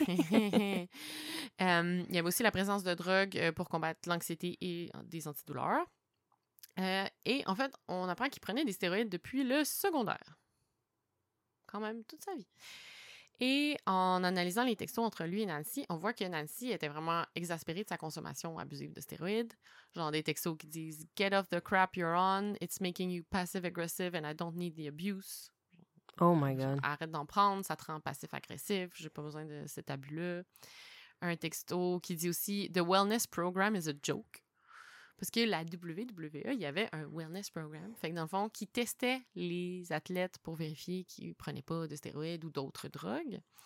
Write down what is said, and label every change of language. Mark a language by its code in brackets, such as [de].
[fr] Il y avait aussi la présence de drogues pour combattre l'anxiété et des antidouleurs. Et en fait, on apprend qu'il prenait des stéroïdes depuis le secondaire. Quand même, toute sa vie. Et en analysant les textos entre lui et Nancy, on voit que Nancy était vraiment exaspérée de sa consommation abusive de stéroïdes. Genre des textos qui disent [en] « Get off the crap you're on, it's making you passive-aggressive and I don't need the abuse. » Oh my God. [fr] « Arrête d'en prendre, ça te rend passif-aggressif, j'ai pas besoin de cet abus-là. » un texto qui dit aussi [en] « The wellness program is a joke ». [fr] Parce que la WWE, il y avait un wellness program. Fait que dans le fond, qui testait les athlètes pour vérifier qu'ils prenaient pas de stéroïdes ou d'autres drogues.